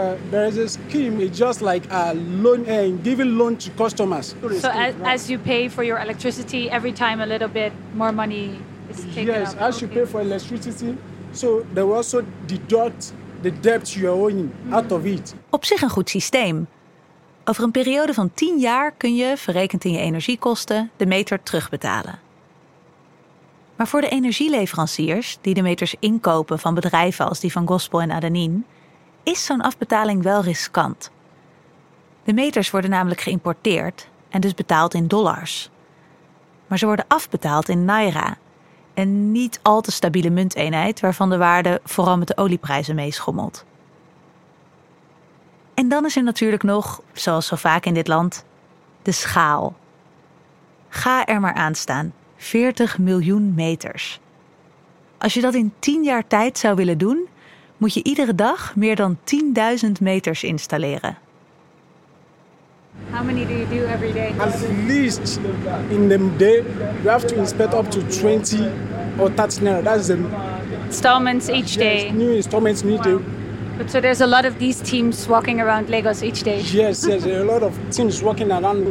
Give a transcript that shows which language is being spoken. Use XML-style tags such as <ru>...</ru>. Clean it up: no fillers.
<en>There is a scheme, it's just like a loan and giving loan to customers. So as you pay for your electricity, every time a little bit more money is taken. Yes, up. As okay. You pay for electricity, so they will also deduct the debt you are owing out of it.</en> <nl>Op zich een goed systeem. Over een periode van 10 jaar kun je, verrekend in je energiekosten, de meter terugbetalen. Maar voor de energieleveranciers die de meters inkopen van bedrijven als die van Gospel en Adanin, is zo'n afbetaling wel riskant. De meters worden namelijk geïmporteerd en dus betaald in dollars. Maar ze worden afbetaald in naira, een niet al te stabiele munteenheid waarvan de waarde vooral met de olieprijzen meeschommelt. En dan is er natuurlijk nog, zoals zo vaak in dit land, de schaal. Ga er maar aan staan. 40 miljoen meters. Als je dat in 10 jaar tijd zou willen doen, moet je iedere dag meer dan 10.000 meters installeren.</nl> <en>How many do you do every day? At least in the day, you have to inspect up to 20 or 30 naira. That's the installments each day. New installments each day. But so there's a lot of these teams walking around Lagos each day? Yes, yes, a lot of teams walking around.</en>